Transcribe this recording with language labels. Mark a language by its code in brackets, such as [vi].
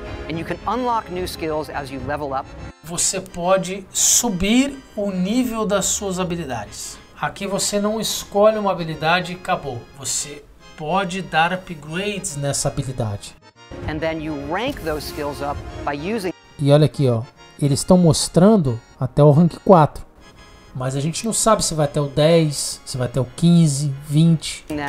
[en] And you can unlock new skills as you level up. [pt] Você pode subir o nível das suas habilidades. Aqui você não escolhe uma habilidade e acabou. Você pode dar upgrades nessa habilidade. [en] And then you rank those skills up by using. [pt] E olha aqui, ó, eles estão mostrando até o rank 4. Mas a gente não sabe se vai até o 10, se vai até o 15, 20.